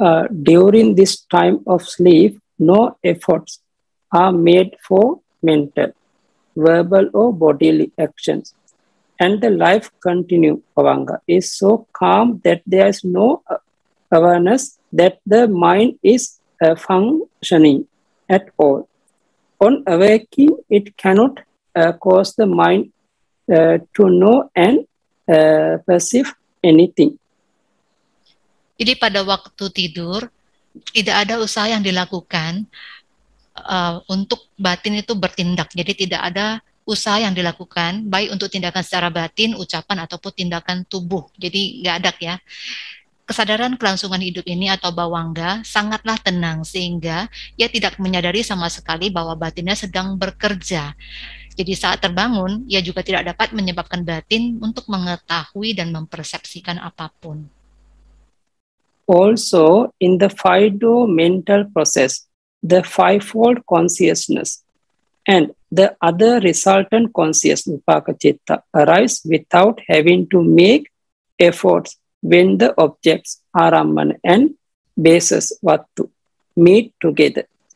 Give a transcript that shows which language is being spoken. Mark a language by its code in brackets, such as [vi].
[en] During this time of sleep, no efforts are made for mental, verbal or bodily actions, and the life continue bhavanga is so calm that there is no awareness that the mind is functioning at all. On awaking, it cannot cause the mind to know and perceive anything. [id] Jadi pada waktu tidur tidak ada usaha yang dilakukan untuk batin itu bertindak. Jadi tidak ada usaha yang dilakukan baik untuk tindakan secara batin, ucapan ataupun tindakan tubuh. Jadi nggak ada ya. Kesadaran kelangsungan hidup ini atau bhavanga sangatlah tenang sehingga ia tidak menyadari sama sekali bahwa batinnya sedang bekerja. Jadi saat terbangun, ia juga tidak dapat menyebabkan batin untuk mengetahui dan mempersepsikan apapun. [en] Also, in the Fido mental process, the fivefold consciousness and the other resultant consciousness, vipaka citta, arise without having to make efforts when the objects, arammana and basis, vattu, meet together.